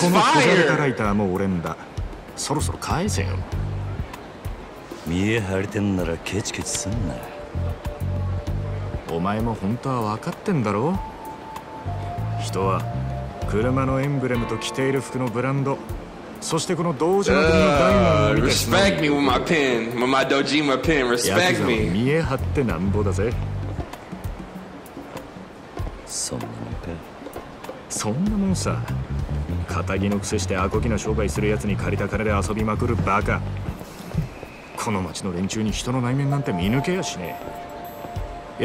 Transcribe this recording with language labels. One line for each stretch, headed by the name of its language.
Japanese: この小型ライターも俺んだ、そろそろ返せよ。見え張りてんならケチケチすんな。お前も本当は分かってんだろ、人は車のエンブレムと着ている服のブランド、そしてこの道場組のダイマーを見て、
English: Respect me with my pen, with my Dojima pen. Respect me.
Japanese: 見え張ってなんぼだぜ。そんなもんか。そんなもんさ、肩着のくせしてアコギな商売するやつに借りた金で遊びまくるバカ。この町の連中に人の内面なんて見抜けやしねえ。